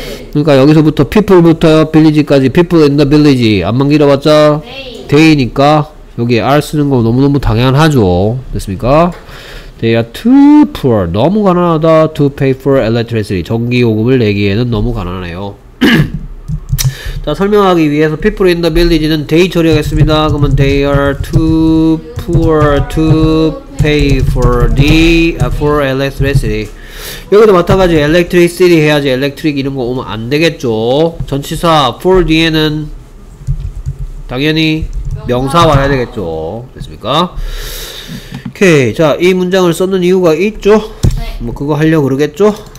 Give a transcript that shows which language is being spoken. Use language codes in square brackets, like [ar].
[ko] 그러니까 여기서부터 people부터 빌리지까지 [en] people in the village [ko] 안만 길어봤자 day니까 여기에 r 쓰는 거 너무너무 당연하죠. 됐습니까? [en] They are too poor. [ko] 너무 가난하다. [en] To pay for electricity. [ko] 전기요금을 내기에는 너무 가난해요. 자 설명하기 위해서 [en] people in the village [ko] 는 they 처리하겠습니다. [en] 그러면 they are too poor to pay for the for electricity. [ko] 여기도 마찬가지로 Electric City 해야지 Electric 이런 거 오면 안 되겠죠. 전치사 for 뒤에는 당연히 명사 와야 되겠죠. 됐습니까? 오케이. 자, 이 문장을 썼는 이유가 있죠? 네. 뭐 그거 하려고 그러겠죠?